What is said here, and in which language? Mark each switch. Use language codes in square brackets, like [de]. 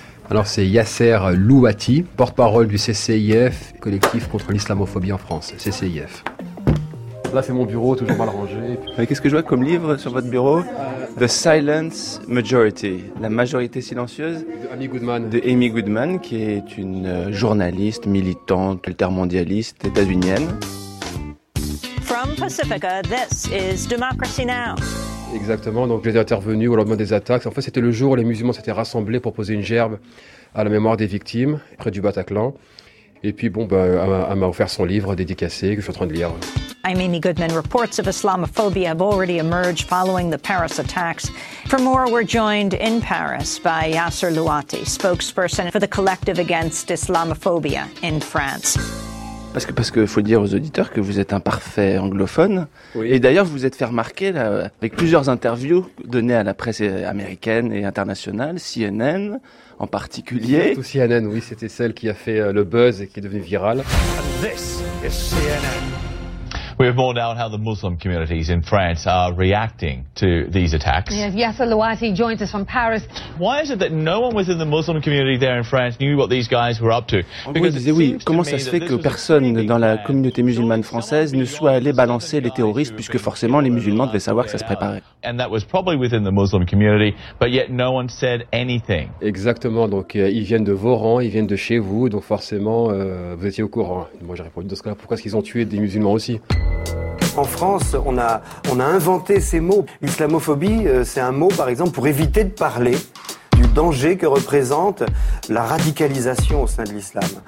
[fr] Alors c'est Yasser Louati, porte-parole du CCIF, collectif contre l'islamophobie en France, CCIF. Là c'est mon bureau, toujours mal rangé. Mais qu'est-ce que je vois comme livre sur votre bureau? [en] The Silence Majority, [fr] la majorité silencieuse de Amy Goodman, qui est une journaliste, militante, altermondialiste, états-unienne. [en] From Pacifica, this is Democracy Now! [fr] Exactement, donc j'étais intervenu au lendemain des attaques. En fait, c'était le jour où les musulmans s'étaient rassemblés pour poser une gerbe à la mémoire des victimes près du Bataclan. Et puis, bon, ben, elle m'a offert son livre dédicacé que je suis en train de lire. [en] I'm Amy Goodman. Reports of Islamophobia have already emerged following the Paris attacks. For more, we're joined in Paris by Yasser Louati, spokesperson for the Collective Against Islamophobia in France. [fr] Parce que faut dire aux auditeurs que vous êtes un parfait anglophone. Oui. Et d'ailleurs, vous vous êtes fait remarquer là, avec plusieurs interviews données à la presse américaine et internationale, CNN en particulier. Tout CNN, oui, c'était celle qui a fait le buzz et qui est devenue virale. [en] And this is CNN. We have more now on how the Muslim communities in France are reacting to these attacks. Yes, Yasser Louati joins us from Paris. Why is it that no one within the Muslim community there in France knew what these guys were up to? Because [fr] oui, oui. Comment ça se fait que personne dans la communauté musulmane française ne soit allé balancer les terroristes, puisque forcément les musulmans devaient savoir que ça se préparait? [en] And that was probably within the Muslim community, but yet no one said anything. [fr] Exactement. Donc ils viennent de vos rangs, ils viennent de chez vous, donc forcément vous étiez au courant. Moi j'ai répondu dans ce cas-là. Pourquoi est-ce qu'ils ont tué des musulmans aussi? En France, on a inventé ces mots. L'islamophobie, c'est un mot, par exemple, pour éviter de parler du danger que représente la radicalisation au sein de l'islam.